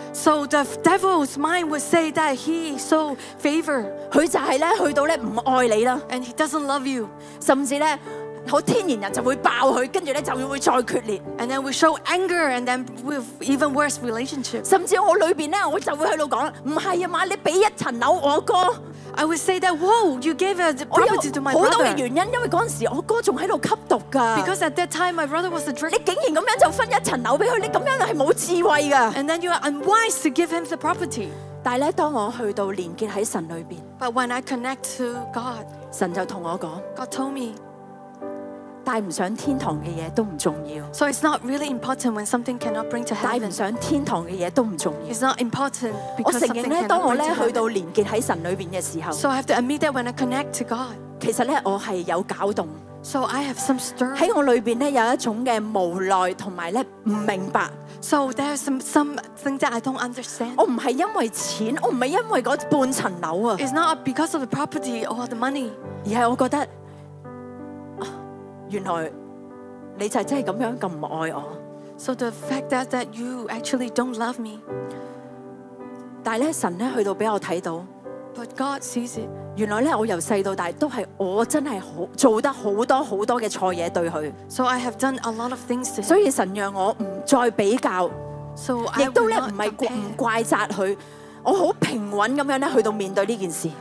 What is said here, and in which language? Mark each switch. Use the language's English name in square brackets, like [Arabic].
[English] So the devil's mind would say that he so favor. [Cantonese] 佢就係咧去到咧唔愛你啦。 [English] And he doesn't love you. [Cantonese] 甚至咧好天然人就會爆佢，跟住咧就會再決裂。 [English] And then we show anger, and then with even worse relationship. [Cantonese] 甚至我裏邊咧我就會喺度講，唔係啊嘛，你俾一層樓我哥。 [English] I would say that, whoa, you gave a property to my brother. [Cantonese] 好多嘅原因，因為嗰陣時我哥仲喺度吸毒噶。 [English] Because at that time my brother was a drinker. [Cantonese] 你竟然咁樣就分一層樓俾佢，你咁樣係冇智慧噶。 [English] And then you are unwise to give him the property. [Cantonese] 但係咧，當我去到連結喺神裏邊 [English] ，But when I connect to God, [Cantonese] 神就同我講 [English] ，God told me, [Cantonese] 帶唔上天堂嘅嘢都唔重要。 [English] So it's not really important when something cannot bring to heaven. [Cantonese] 帶唔上天堂嘅嘢都唔重要。 [English] It's not important because something cannot bring to heaven. [Cantonese] 我承認咧，當我咧去到連結喺神裏邊嘅時候 [English] ，So I have to admit that when I connect to God, [Cantonese] 其實咧我係有攪動。 [English] So I have some stir. [Cantonese] 喺我裏邊咧有一種嘅無奈同埋咧唔明白。 [English] So there's some things that I don't understand. [Cantonese] 我唔係因為錢，我唔係因為嗰半層樓啊。 [English] It's not because of the property or the money. [Cantonese] 而係我覺得。原來你就真係咁樣咁唔愛我。 [English] So the fact that you actually don't love me. [Cantonese] 但係咧，神咧去到俾我睇到。 [English] But God sees it. [Cantonese] 原來咧，我由細到大都係我真係好做得好多好多嘅錯嘢對佢。 [English] So I have done a lot of things to him. [Cantonese] 所以神讓我唔再比較。 [English] So [Cantonese] 亦都咧唔係唔怪責佢，我好平穩咁樣咧去到面對呢件事。